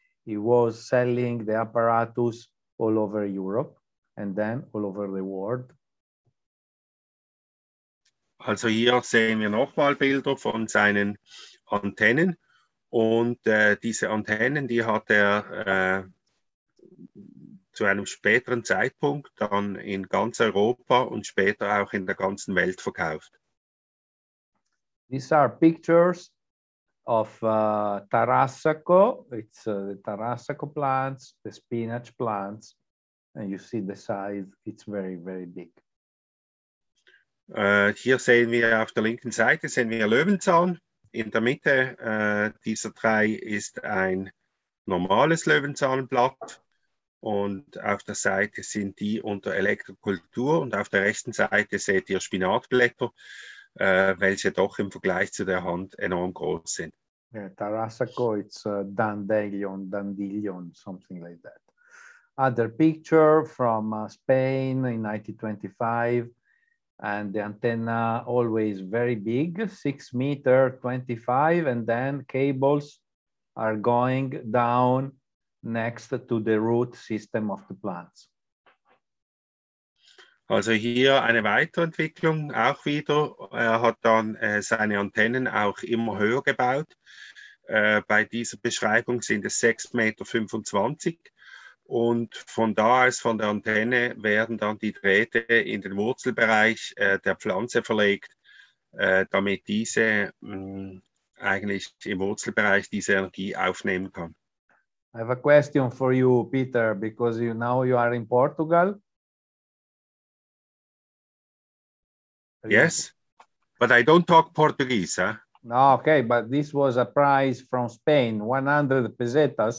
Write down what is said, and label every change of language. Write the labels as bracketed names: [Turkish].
[English] He was selling the apparatus all over Europe and then all over the world. [German] Also hier sehen wir nochmal Bilder von seinen Antennen. Und diese Antennen, die hat er zu einem späteren Zeitpunkt dann in ganz Europa und später auch in der ganzen Welt verkauft. [English] These are pictures of Tarasco. It's the Tarasco plants, the spinach plants. And you see the size, it's very, very big. [German] Hier sehen wir auf der linken Seite sehen wir Löwenzahn. In der Mitte dieser drei ist ein normales Löwenzahnblatt. Und auf der Seite sind die unter Elektrokultur. Und auf der rechten Seite seht ihr Spinatblätter, welche doch im Vergleich zu der Hand enorm groß sind. [English] Yeah, Tarasco, it's dandelion, dandelion, something like that. Other picture from Spain in 1925. And the antenna always very big, 6 meters, 25, and then cables are going down next to the root system of the plants. [German] Also hier eine Weiterentwicklung auch wieder. Er hat dann seine Antennen auch immer höher gebaut. Bei dieser Beschreibung sind es 6,25 Meter. Und von da aus, von der Antenne, werden dann die Drähte in den Wurzelbereich der Pflanze verlegt, damit diese eigentlich im Wurzelbereich diese Energie aufnehmen kann. [English] I have a question for you, Peter, because you, now you are in Portugal. Yes, but I don't talk Portuguese. Eh? No, okay, but this was a prize from Spain, 100 pesetas.